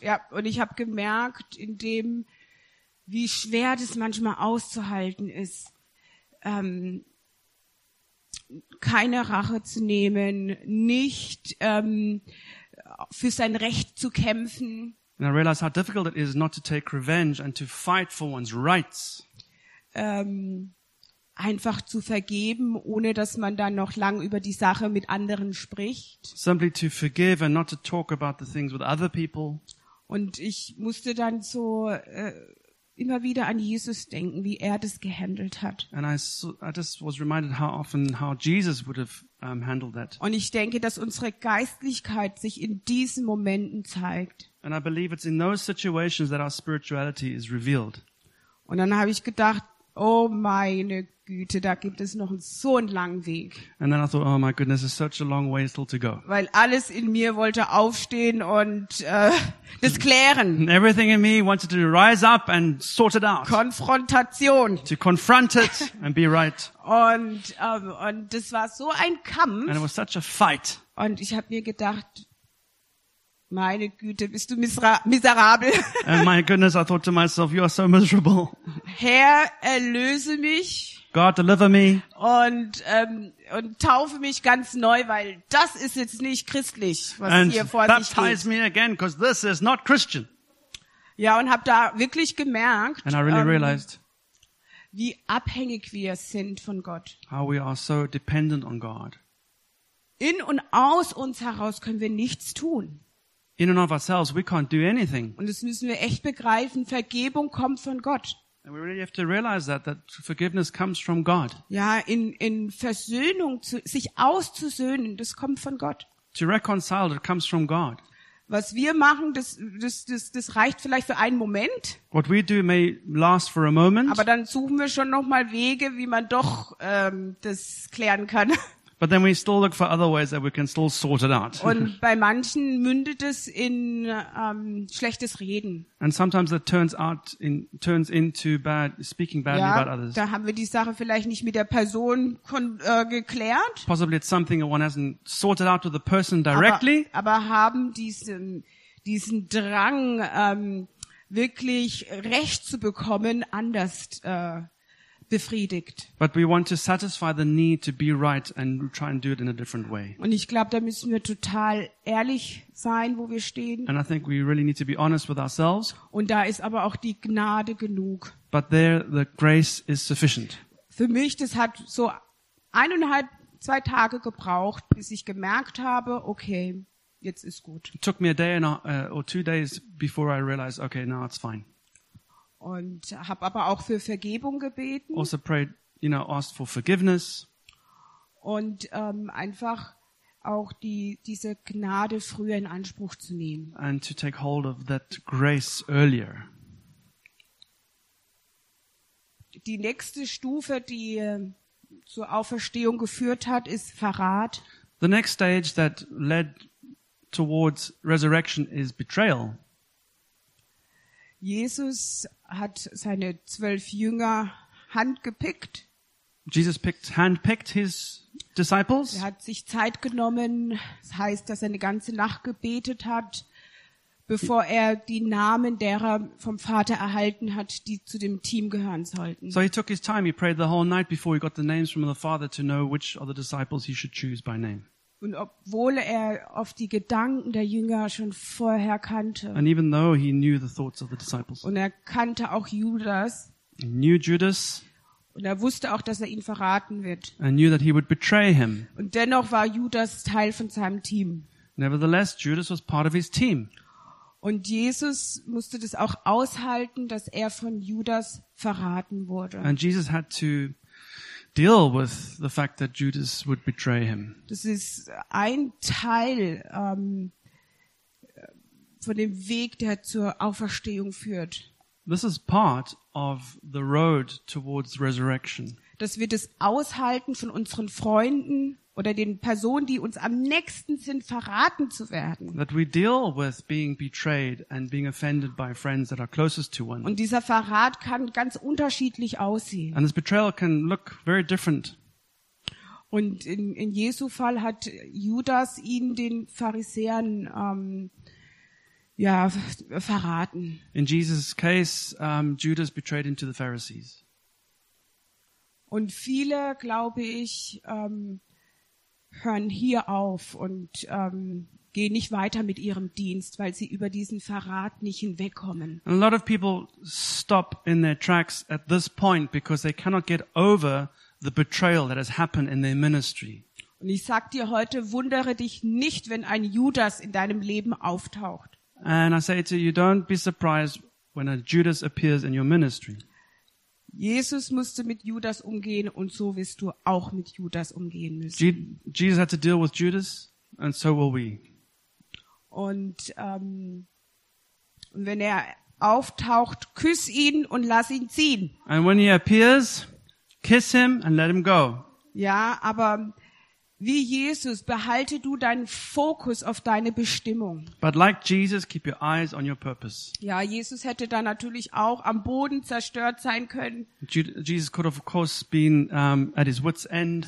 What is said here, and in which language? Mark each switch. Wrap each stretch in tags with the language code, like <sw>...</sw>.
<de>Ja, und ich habe gemerkt, wie schwer das manchmal auszuhalten ist, keine Rache zu nehmen, nicht für sein Recht zu kämpfen.</de> <en>And I realize how difficult it is not to take revenge and to fight for one's rights.</en> <de>Einfach zu vergeben, ohne dass man dann noch lang über die Sache mit anderen spricht.</de> <en>Simply to forgive and not to talk about the things with other people.</en> <de>Und ich musste dann so immer wieder an Jesus denken, wie er das gehandelt hat.</de> <en>And I just was reminded how often how Jesus would have handled that.</en> <de>Und ich denke, dass unsere Geistlichkeit sich in diesen Momenten zeigt.</de> <en>And I believe it's in those situations that our spirituality is revealed.</en> <de>Und dann habe ich gedacht, oh meine Güte, da gibt es noch so einen langen Weg.</de> <en>And then I thought, oh my goodness, there's such a long way still to go.</en> <de>Weil alles in mir wollte aufstehen und das klären.</de> <en>Everything in me wanted to rise up and sort it out.</en> <de>Konfrontation.</de> <en>To confront it and be right.</en> <de>Und das war so ein Kampf.</de> <en>And it was such a fight.</en> <de>Und ich habe mir gedacht, meine Güte, bist du miserabel.</de> <en>And my goodness, I thought to myself, you are so miserable.</en> <de>Herr, erlöse mich.</de> <en>God, deliver me.</en> <de>Und taufe mich ganz neu, weil das ist jetzt nicht christlich, was</de> <en>and</en> <de>hier vor sich geht.</de> <en>Baptize me again, because this is not Christian.</en> <de>Ja, und habe da wirklich gemerkt,</de> <en>and I really realized,</en> <de>wie abhängig wir sind von Gott.</de> <en>How we are so dependent on God.</en> <de>In und aus uns heraus können wir nichts tun.</de> <en>In and of ourselves, we can't do anything.</en> <de>Und das müssen wir echt begreifen. Vergebung kommt von Gott.</de> <en>And we really have to realize that forgiveness comes from God.</en> <de>Ja, in Versöhnung zu sich auszusöhnen, das kommt von Gott.</de> <en>To reconcile, it comes from God.</en> <de>Was wir machen, das reicht vielleicht für einen Moment.</de> <en>What we do may last for a moment.</en> <de>Aber dann suchen wir schon noch mal Wege, wie man doch das klären kann.</de> <en>But then we still look for other ways that we can still sort it out.</en> <de>Und bei manchen mündet es in schlechtes Reden.</de> <en>And sometimes it turns into bad speaking badly about others.</en> <de>Da haben wir die Sache vielleicht nicht mit der Person geklärt.</de> <en>Possibly it's something that one hasn't sorted out with the person directly.</en> <de>Aber haben diesen Drang wirklich Recht zu bekommen anders befriedigt.</de> <en>But we want to satisfy the need to be right and try and do it in a different way.</en> <de>Und ich glaube, da müssen wir total ehrlich sein, wo wir stehen.</de> <en>And I think we really need to be honest with ourselves.</en> <de>Und da ist aber auch die Gnade genug.</de> <en>But there the grace is sufficient.</en> <de>Für mich, das hat so 1,5-2 Tage gebraucht, bis ich gemerkt habe, okay, jetzt ist gut.</de> <en>It took me a day or 2 days before I realized, okay, now it's fine.</en> <de>Und habe aber auch für Vergebung gebeten.</de> <en>Also prayed, you know, asked for forgiveness.</en> <de>Und einfach auch diese Gnade früher in Anspruch zu nehmen.</de> <en>And to take hold of that grace earlier.</en> <de>Die nächste Stufe, die zur Auferstehung geführt hat, ist Verrat.</de> <en>The next stage that led towards resurrection is betrayal.</en> <de>Jesus hat seine 12 Jünger handgepickt.</de> <en>Jesus handpicked his disciples.</en> <de>Er hat sich Zeit genommen. Das heißt, dass er eine ganze Nacht gebetet hat, bevor er die Namen derer vom Vater erhalten hat, die zu dem Team gehören sollten.</de> <en>So he took his time. He prayed the whole night before he got the names from the Father to know which of the disciples he should choose by name.</en> <de>Und obwohl er oft die Gedanken der Jünger schon vorher kannte.</de> <en>And even though he knew the thoughts of the disciples.</en> <de>Und er kannte auch Judas.</de> <en>He knew Judas.</en> <de>Und er wusste auch, dass er ihn verraten wird.</de> <en>And knew that he would betray him.</en> <de>Und dennoch war Judas Teil von seinem Team.</de> <en>Nevertheless, Judas was part of his team.</en> <de>Und Jesus musste das auch aushalten, dass er von Judas verraten wurde.</de> <en>And Jesus had to deal with the fact that Judas would betray him.</en> <de>Das ist ein Teil von dem Weg, der zur Auferstehung führt.</de> <en>This is part of the road towards resurrection.</en> <de>Dass wir das aushalten, von unseren Freunden oder den Personen, die uns am nächsten sind, verraten zu werden.</de> <en>That we deal with being betrayed and being offended by friends that are closest to one.</en> <de>Und dieser Verrat kann ganz unterschiedlich aussehen.</de> <en>And this betrayal can look very different.</en> <de>Und in Jesu Fall hat Judas ihn den Pharisäern verraten.</de> <en>In Jesus' case, Judas betrayed him to the Pharisees.</en> <de>Und viele, glaube ich, hören hier auf und gehen nicht weiter mit ihrem Dienst, weil sie über diesen Verrat nicht hinwegkommen.</de> <en>A lot of people stop in their tracks at this point because they cannot get over the betrayal that has happened in their ministry.</en> <de>Und ich sag dir heute, wundere dich nicht, wenn ein Judas in deinem Leben auftaucht.</de> <en>And I say to you, don't be surprised when a Judas appears in your ministry.</en> <de>Jesus musste mit Judas umgehen und so wirst du auch mit Judas umgehen müssen.</de> <en>Jesus had to deal with Judas and so will we.</en> <de>Und wenn er auftaucht, küss ihn und lass ihn ziehen.</de> <en>And when he appears, kiss him and let him go.</en> <de>Ja, aber wie Jesus, behalte du deinen Fokus auf deine Bestimmung.</de> <en>But like Jesus, keep your eyes on your purpose.</en> <de>Ja, Jesus hätte da natürlich auch am Boden zerstört sein können.</de> <en>Jesus could have of course been at his wit's end.</en>